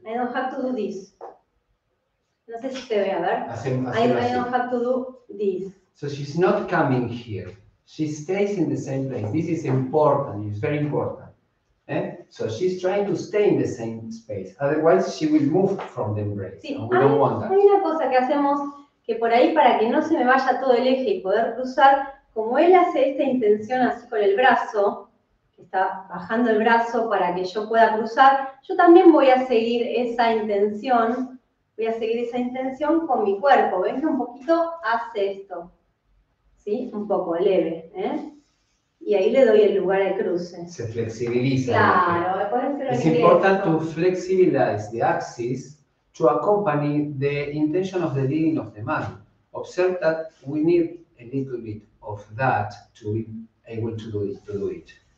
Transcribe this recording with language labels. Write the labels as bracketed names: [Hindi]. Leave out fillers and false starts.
[English] I don't have to do this. [Spanish] No sé si se ve, a ver. [English] I don't have to do this. So she's not coming here. She stays in the same place. This is important. It's very important. Eh? So she's trying to stay in the same space. Otherwise, she will move from the embrace. [Spanish] Sí, [English] and we don't want that. [Spanish] Hay una cosa que hacemos que por ahí, para que no se me vaya todo el eje y poder cruzar, como él hace esta intención así con el brazo, está bajando el brazo para que yo pueda cruzar, yo también voy a seguir esa intención. Voy a seguir esa intención con mi cuerpo. ¿Ves que un poquito hace esto? ¿Sí? Un poco leve. ¿Eh? Y ahí le doy el lugar de cruce. Se flexibiliza. Claro. Es [English] importante to flexibilize the axis to accompany the intention of the leading of the man. Observe that we need a little bit of that to be able to do it.